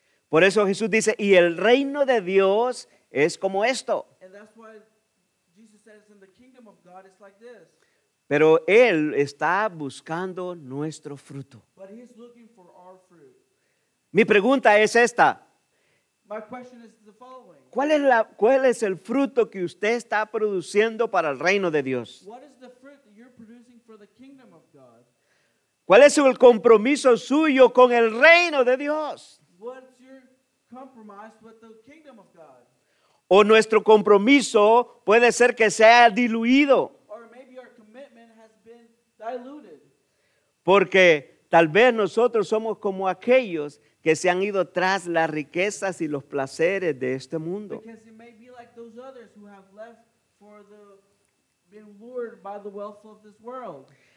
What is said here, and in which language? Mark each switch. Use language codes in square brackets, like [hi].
[es] Por eso Jesús dice, y el reino de Dios es como esto. [en] And that's why Jesus says, and the kingdom kingdom of God is like this. [es] Pero Él está buscando nuestro fruto. [en] But he's looking for our fruit. [es] Mi pregunta es esta. [en] My question is the following. [es] ¿Cuál es el fruto que usted está produciendo para el reino de Dios? [en] What is the fruit that you're producing for the kingdom of God? [es] ¿Cuál es el compromiso suyo con el reino de Dios? [en] What's your compromise with the kingdom of God? [es] O nuestro compromiso puede ser que sea diluido. [en] Or maybe our commitment has been diluted. [es] Porque tal vez nosotros somos como aquellos que se han ido tras las riquezas y los placeres de este mundo. [en] Because it may be like those others who have left for the, been lured by the wealth of this world.